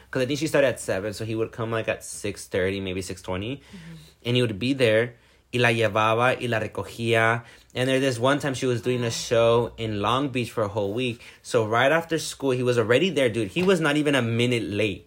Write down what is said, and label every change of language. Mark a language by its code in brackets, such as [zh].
[en] Because I think she started at 7, so he would come, like, at 6:30, maybe 6:20. Mm-hmm. And he would be there. [es] Y la llevaba, y la recogía. [en] And there this one time she was doing a show in Long Beach for a whole week. So right after school, he was already there, dude. He was not even a minute late.